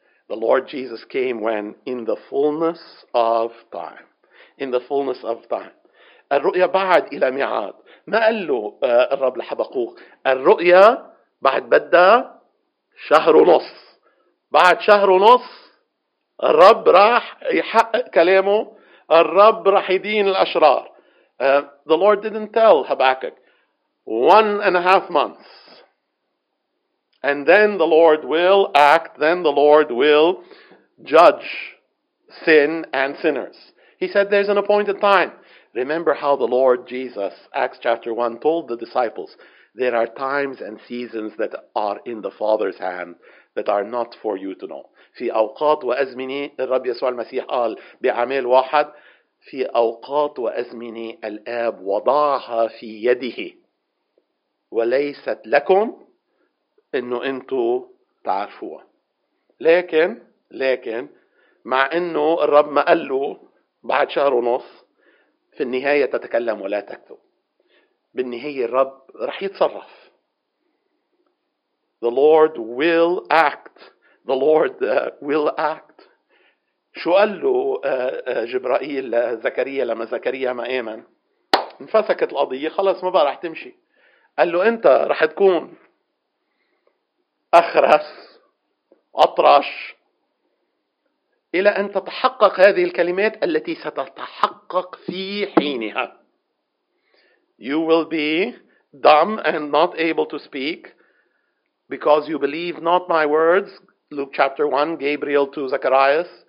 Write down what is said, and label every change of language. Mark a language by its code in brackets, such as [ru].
[en] The Lord Jesus came when in the fullness of time. In the fullness of time. [ar] الرؤية بعد إلى ميعاد. ما قال له الرب لحبقوق؟ الرؤية بعد بدها شهر ونص. بعد شهر ونص الرب راح يحقق كلامه. الرب راح يدين الأشرار. [en] The Lord didn't tell Habakkuk. 1.5 months. And then the Lord will act, then the Lord will judge sin and sinners. He said there's an appointed time. Remember how the Lord Jesus, Acts chapter 1, told the disciples, there are times and seasons that are in the Father's hand that are not for you to know. [ar] في أوقات وأزمنة الرب يسوع المسيح قال بعمل واحد في أوقات وأزمنة الآب وضعها في يده وليست لكم انه انتو تعرفوها. لكن مع انه الرب ما قال له بعد شهر ونص في النهاية تتكلم ولا تكتب. بالنهاية الرب رح يتصرف. [en] The Lord will act. The Lord will act. [ar] شو قال له جبرائيل زكريا لما زكريا ما آمن؟ انفسكت القضية خلص ما بقى رح تمشي. قال له انت رح تكون أخرس أطرش إلى أن تتحقق هذه الكلمات التي ستتحقق في حينها. [en] You will be dumb and not able to speak because you believe not my words. Luke chapter 1, Gabriel to Zacharias.